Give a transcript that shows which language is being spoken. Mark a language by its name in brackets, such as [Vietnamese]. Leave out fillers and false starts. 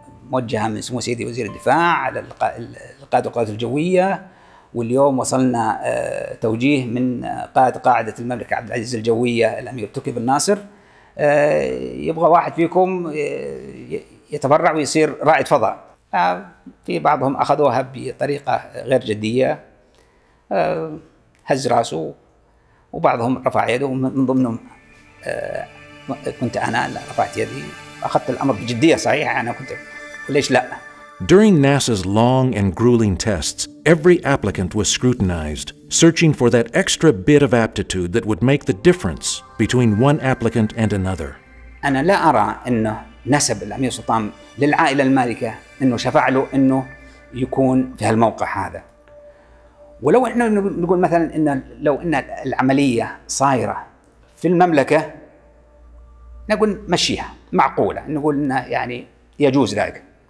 [Arabic] موجهه من سمو سيدي وزير الدفاع على القائد القوات الجويه، واليوم وصلنا توجيه من قائد قاعده المملكه عبد العزيز الجويه الامير تركي بن ناصر، يبغى واحد فيكم يتبرع ويصير رائد فضاء. في بعضهم اخذوها بطريقه غير جديه، هز راسه، وبعضهم رفع يده، ومن ضمنهم كنت أنا رفعت يدي، أخذت الأمر بجدية صحيح، أنا كنت ليش لا. [English] During NASA's long and grueling tests, every applicant was scrutinized, searching for that extra bit of aptitude that would make the difference between one applicant and another. [Arabic] أنا لا أرى إنه نسب الأمير سلطان للعائلة المالكة إنه شفع له إنه يكون في هالموقع هذا. ولو إحنا نقول مثلا إنه لو إن العملية صايرة في المملكة نقول مشيها معقولة، نقول إنه يعني يجوز ذلك.